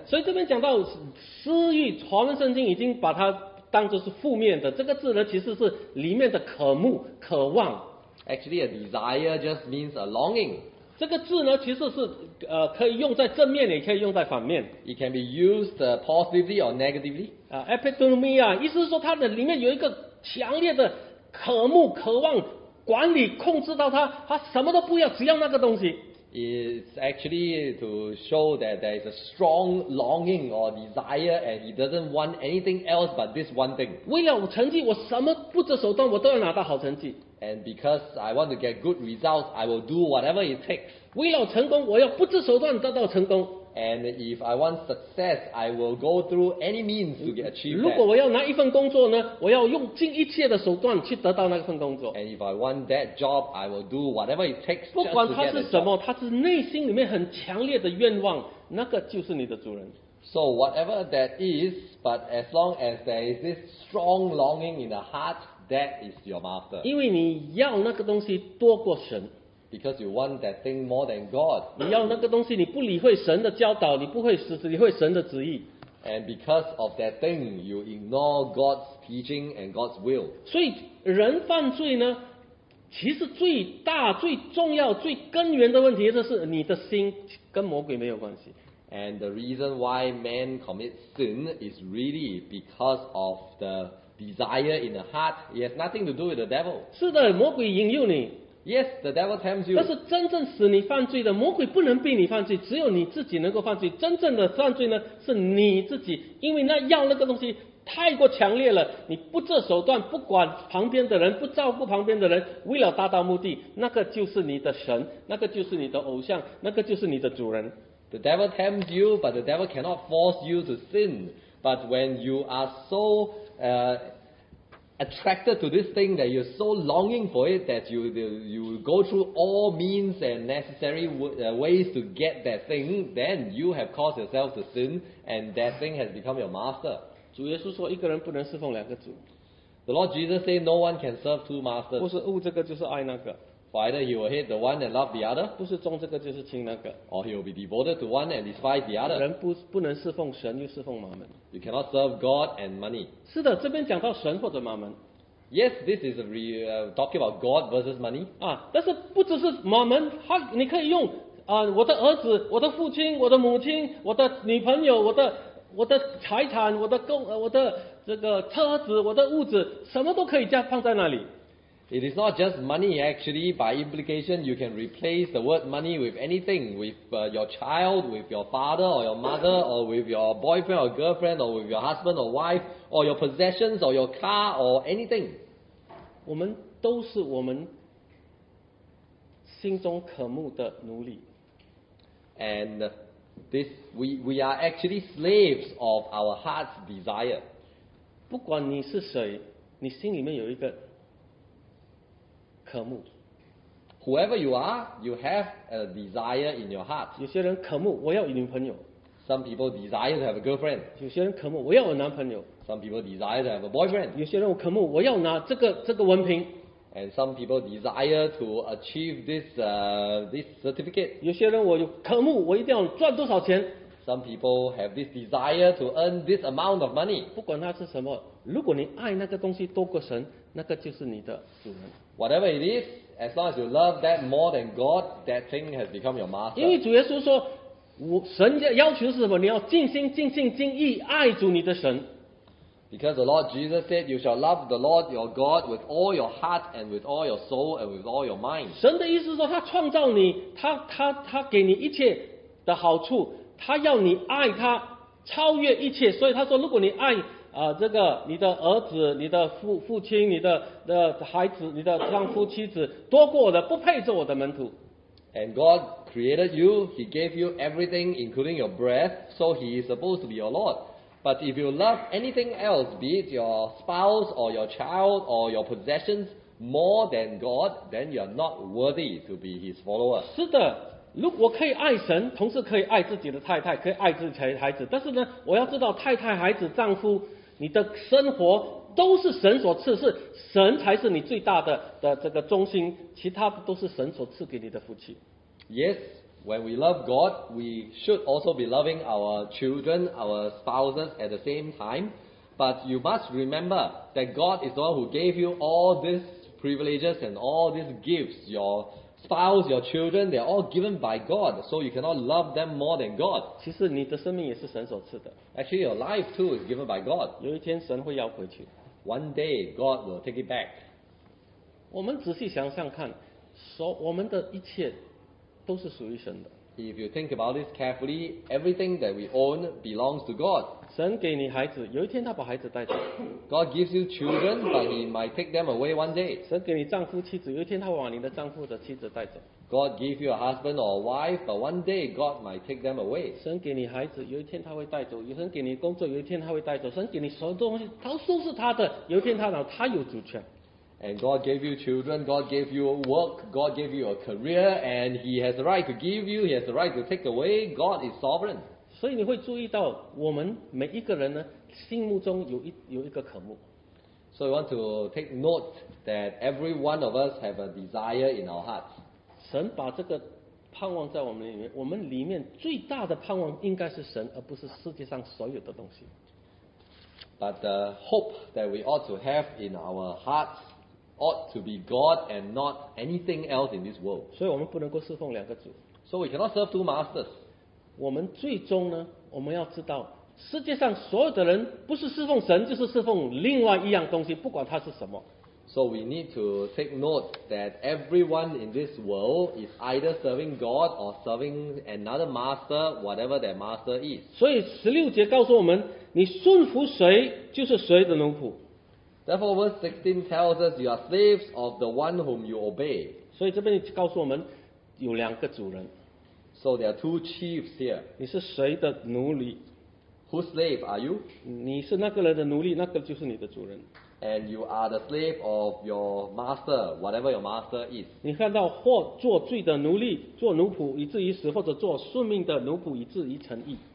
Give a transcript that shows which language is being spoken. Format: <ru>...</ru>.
<zh>所以这边讲到私欲，传统圣经已经把它当作是负面的。这个字呢，其实是里面的渴慕、渴望。</zh> <en>Actually, a desire just means a longing.</en> <zh>这个字呢，其实是可以用在正面，也可以用在反面。</zh> <en>It can be used positively or negatively.</en> <zh>Epidemia 意思是说它的里面有一个强烈的渴慕、渴望。管理控制到他什么都不要，只要那个东西。</zh> <en>It's actually to show that there is a strong longing or desire, and he doesn't want anything else but this one thing.</en> <zh>为了成绩，我什么不择手段，我都要拿到好成绩。</zh> <en>And because I want to get good results, I will do whatever it takes.</en> <zh>为了成功，我要不择手段得到成功。</zh> <en>And if I want success, I will go through any means to get achieved.</en> <zh>如果我要拿一份工作呢，我要用尽一切的手段去得到那份工作。</zh> <en>And if I want that job, I will do whatever it takes.</en> <zh>不管它是什么，它是内心里面很强烈的愿望，那个就是你的主人。</zh> <en>So whatever that is, but as long as there is this strong longing in the heart, that is your master.</en> <zh>因为你要那个东西多过神。</zh> <en>Because you want that thing more than God.</en> <zh>你要那个东西，你不理会神的教导，你不会理会神的旨意。</zh> <en>And because of that thing, you ignore God's teaching and God's will.</en> <zh>所以人犯罪呢，其实最大、最重要、最根源的问题，就是你的心跟魔鬼没有关系。</zh> <en>And the reason why man commits sin is really because of the desire in the heart. It has nothing to do with the devil.</en> <zh>是的，魔鬼引诱你。</zh> <en>Yes, the devil tempts you.</en> <zh>但是真正使你犯罪的，魔鬼不能逼你犯罪，只有你自己能够犯罪。真正的犯罪呢，是你自己，因为那要那个东西太过强烈了，你不择手段，不管旁边的人，不照顾旁边的人，为了达到目的，那个就是你的神，那个就是你的偶像，那个就是你的主人。</zh> <en>The devil tempts you, but the devil cannot force you to sin. But when you are so attracted to this thing that you're so longing for it that you go through all means and necessary ways to get that thing, then you have caused yourself to sin and that thing has become your master.</en> <zh>主耶稣说一个人不能侍奉两个主。</zh> <en>The Lord Jesus said no one can serve two masters.</en> <zh>不是恶这个就是爱那个。</zh> <en>For either he will hate the one and love the other.</en> <zh>不是忠这个就是轻那个。</zh> <en>Or he will be devoted to one and despise the other.</en> <zh>人不能侍奉神又侍奉马门。</zh> <en>You cannot serve God and money.</en> <zh>是的，这边讲到神或者马门。</zh> <en>Yes, this is talking about God versus money.</en> <zh>啊，但是不只是 Mammon， 他你可以用啊，我的儿子、我的父亲、我的母亲、我的女朋友、我的财产、我的这个车子、我的物质，什么都可以加放在那里。</zh> <en>It is not just money, actually. By implication, you can replace the word money with anything, with your child, with your father or your mother, or with your boyfriend or girlfriend, or with your husband or wife, or your possessions, or your car, or anything.</en> <zh>我们都是我们心中渴慕的奴隶。</zh> <en>And this, we are actually slaves of our heart's desire.</en> <zh>不管你是谁，你心里面有一个渴慕。</zh> <en>Whoever you are, you have a desire in your heart.</en> <zh>有些人渴慕我要女朋友。</zh> <en>Some people desire to have a girlfriend.</en> <zh>有些人渴慕我要男朋友。</zh> <en>Some people desire to have a boyfriend.</en> <zh>有些人渴慕我要拿这个文凭。</zh> <en>And some people desire to achieve this certificate.</en> <zh>有些人我有渴慕我一定要赚多少钱。</zh> <en>Some people have this desire to earn this amount of money.</en> <zh>不管它是什么，如果你爱那个东西多过神，那个就是你的主人。</zh> <en>Whatever it is, as long as you love that more than God, that thing has become your master.</en> <zh>因为主耶稣说，神要求是什么？你要尽心、尽性、尽意爱主你的神。</zh> <en>Because the Lord Jesus said, "You shall love the Lord your God with all your heart and with all your soul and with all your mind."</en> <zh>神的意思说，他创造你，他给你一切的好处，他要你爱他，超越一切。所以他说，如果你爱这个你的儿子、你的父亲、你的孩子、你的丈夫、妻子多过我的，不配做我的门徒。</zh> <en>And God created you, He gave you everything, including your breath, so He is supposed to be your Lord. But if you love anything else, be it your spouse or your child or your possessions more than God, then you are not worthy to be His follower.</en> <zh>是的，如果我可以爱神，同时可以爱自己的太太，可以爱自己的孩子，但是呢，我要知道太太、孩子、丈夫。你的生活都是神所赐，是神才是你最大的这个中心，其他都是神所赐给你的福气。</zh> <en>Yes, when we love God, we should also be loving our children, our spouses at the same time. But you must remember that God is the one who gave you all these privileges and all these gifts. Your spouse, your children, they are all given by God, so you cannot love them more than God.</en> <zh>其实你的生命也是神所赐的。</zh> <en>Actually, your life too is given by God.</en> <zh>有一天神会要回去。</zh> <en>One day, God will take it back.</en> <zh>我们仔细想想看，我们的一切都是属于神的。</zh> <en>If you think about this carefully, everything that we own belongs to God.</en> <zh>神给你孩子，有一天他把孩子带走。</zh> <en>God gives you children, but He might take them away one day.</en> <zh>神给你丈夫、妻子，有一天他把你的丈夫的妻子带走。</zh> <en>God gives you a husband or a wife, but one day God might take them away.</en> <zh>神给你孩子，有一天他会带走；神给你工作，有一天他会带走；神给你所有东西，他都是他的，有一天他有主权。</zh> <en>And God gave you children, God gave you work, God gave you a career, and He has the right to give you, He has the right to take away. God is sovereign.</en> <zh>所以你会注意到我们每一个人呢，心目中有一个渴慕。</zh> <en>So we want to take note that every one of us have a desire in our hearts.</en> <zh>神把这个盼望在我们里面，我们里面最大的盼望应该是神，而不是世界上所有的东西。</zh> <en>But the hope that we ought to have in our hearts ought to be God and not anything else in this world.</en> <zh>所以我们不能够侍奉两个主。</zh> <en>So we cannot serve two masters.</en> <zh>我们最终呢，我们要知道，世界上所有的人不是侍奉神，就是侍奉另外一样东西，不管它是什么。</zh> <en>So we need to take note that everyone in this world is either serving God or serving another master, whatever that master is.</en> <zh>所以十六节告诉我们，你顺服谁，就是谁的奴仆。</zh> <en>Therefore, verse 16 tells us you are slaves of the one whom you obey.</en> <zh>所以这边告诉我们有两个主人。</zh> <en>So there are two chiefs here.</en> <zh>你是谁的奴隶？</zh> <en>Whose slave are you?</en> <zh>你是那个人的奴隶，那个就是你的主人。</zh> <en>And you are the slave of your master, whatever your master is.</en> <zh>你看到或做罪的奴隶，做奴仆以至于死，或者做顺命的奴仆以至于成义。</zh>